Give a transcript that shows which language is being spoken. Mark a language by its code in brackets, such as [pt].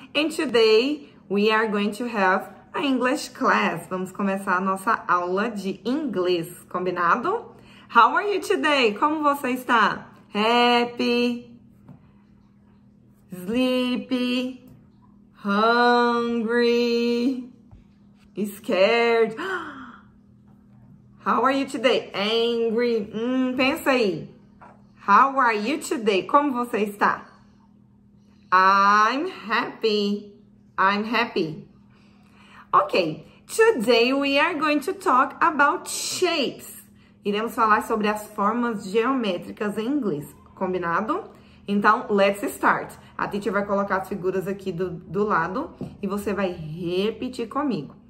[en] And today we are going to have an English class. [pt] Vamos começar a nossa aula de inglês, combinado? [en] How are you today? [pt] Como você está? [en] Happy? Sleepy? Hungry? Scared? How are you today? Angry? [pt] Pensa aí. [en] How are you today? [pt] Como você está? [en] I'm happy. I'm happy. Okay, today we are going to talk about shapes. [pt] Iremos falar sobre as formas geométricas em inglês. Combinado? Então, [en] let's start. [pt] A teacher vai colocar as figuras aqui do lado e você vai repetir comigo.